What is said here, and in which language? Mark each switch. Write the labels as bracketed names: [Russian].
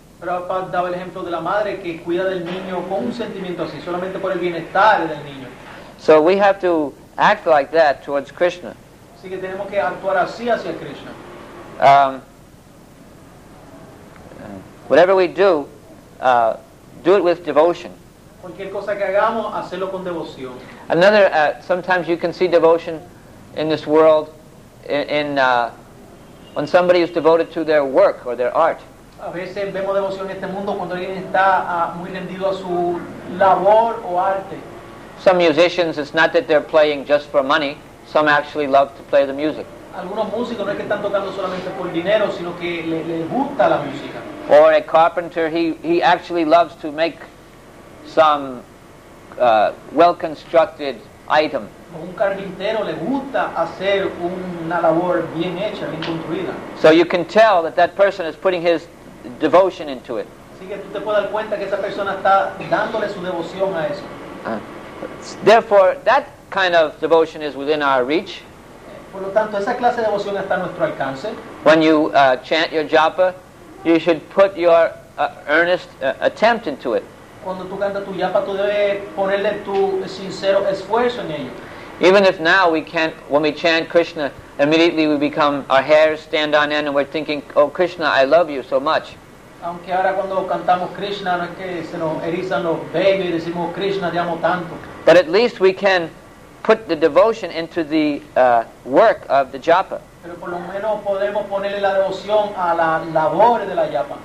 [Spanish] Prabhupada daba el ejemplo de la madre que cuida del niño con un sentimiento así, solamente por el bienestar del niño. [English] So we have to act like that towards Krishna. [Spanish] Así que tenemos que actuar así hacia Krishna. [English] Whatever we do, do it with devotion. [Spanish] Cualquier cosa que hagamos, hacerlo con devoción. [English] Another, sometimes you can see devotion in this world when somebody is devoted to their work or their art. [Spanish] A veces vemos devoción en este mundo cuando alguien está muy rendido a su labor o arte. [English] Some musicians, it's not that they're playing just for money. Some actually love to play the music. [Spanish] Algunos músicos no es que están tocando solamente por dinero, sino que le gusta la música. [English] Or a carpenter, he actually loves to make some well-constructed item. [Spanish] Un carpintero le gusta hacer una labor bien hecha, bien construida. [English] So you can tell that that person is putting his devotion into it. [Spanish] Así que tú te puedes dar cuenta que esa persona está dándole su devoción a eso. [English] Therefore, that kind of devotion is within our reach. [Spanish] Por lo tanto, esa clase de devoción está a nuestro alcance. [English] When you chant your japa, you should put your earnest attempt into it. [Spanish] Cuando tú cantas tu yapa, tú debes ponerle tu sincero esfuerzo en ello. [English] Even if now we can't, when we chant Krishna, immediately we become, our hairs stand on end and we're thinking, oh Krishna, I love you so much. [Spanish] Aunque ahora cuando cantamos Krishna, no es que se nos erizan los vellos y decimos, Krishna, te amo tanto. [English] But at least we can put the devotion into the work of the japa. [Spanish] Pero por lo menos podemos ponerle la devoción a la labor de la japa.